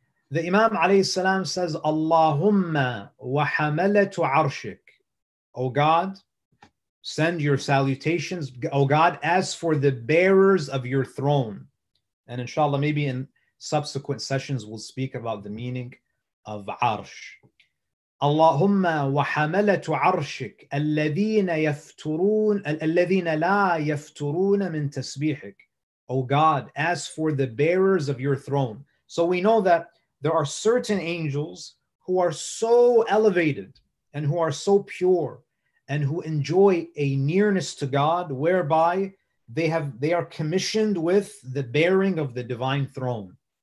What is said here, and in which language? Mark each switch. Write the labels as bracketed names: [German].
[English] The Imam alayhi salam says, [Arabic] "Allahumma wa hamalatu arshik," [English] O God, send your salutations, O God, as for the bearers of your throne. And inshallah, maybe in subsequent sessions, we'll speak about the meaning of arsh. [Arabic] اللهم وحملة عرشك الذين يفترون الذين لا يفترون من تسبيحك. [English] O God, as for the bearers of your throne. So we know that there are certain angels who are so elevated and who are so pure and who enjoy a nearness to God, whereby they are commissioned with the bearing of the divine throne.